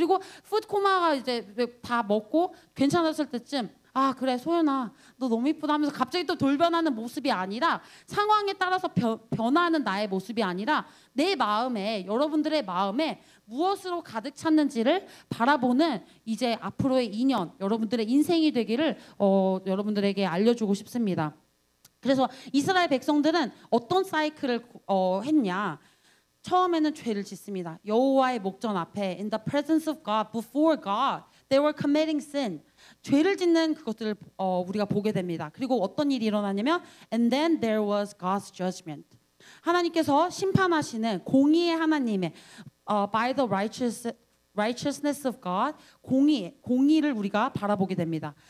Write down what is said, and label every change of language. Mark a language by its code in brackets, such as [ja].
[ko] 그리고 푸드코마가 이제 다 먹고 괜찮았을 때쯤 아 그래 소윤아 너 너무 이쁘다 하면서 갑자기 또 돌변하는 모습이 아니라 상황에 따라서 변하는 나의 모습이 아니라 내 마음에 여러분들의 마음에 무엇으로 가득 찼는지를 바라보는 이제 앞으로의 2년 여러분들의 인생이 되기를 여러분들에게 알려주고 싶습니다. 그래서 이스라엘 백성들은 어떤 사이클을 했냐. 처음에는 죄를 짓습니다. 여호와의 목전 앞에 [en] in the presence of God, before God, they were committing sin. [ko] 죄를 짓는 그것들을 우리가 보게 됩니다. 그리고 어떤 일이 일어나냐면 [en] and then there was God's judgment. [ko] 하나님께서 심판하시는 공의의 하나님의 [en] by the righteousness of God, [ko] 공의를 우리가 바라보게 됩니다.